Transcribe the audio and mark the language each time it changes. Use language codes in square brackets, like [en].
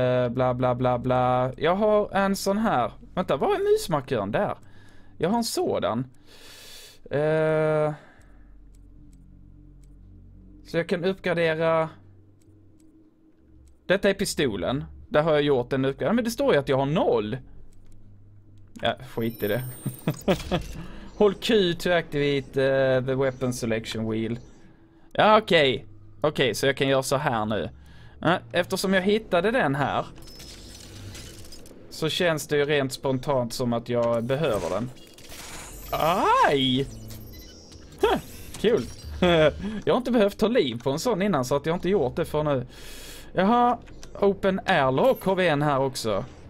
[sv] Bla bla bla bla. Jag har en sån här. Vänta, var är musmarkören där? Jag har en sådan. Så jag kan uppgradera... Detta är pistolen. Där har jag gjort en uppgradering. Men det står ju att jag har noll. Ja, skit i det. [en] Hold Q to activate the weapon selection wheel. [sv] Ja, okej. Okej, så jag kan göra så här nu. Eftersom jag hittade den här. Så känns det ju rent spontant som att jag behöver den. Aj! Kul. Jag har inte behövt ta liv på en sån innan, så att jag inte gjort det för nu. Jaha, [en] open airlock [sv] har vi en här också.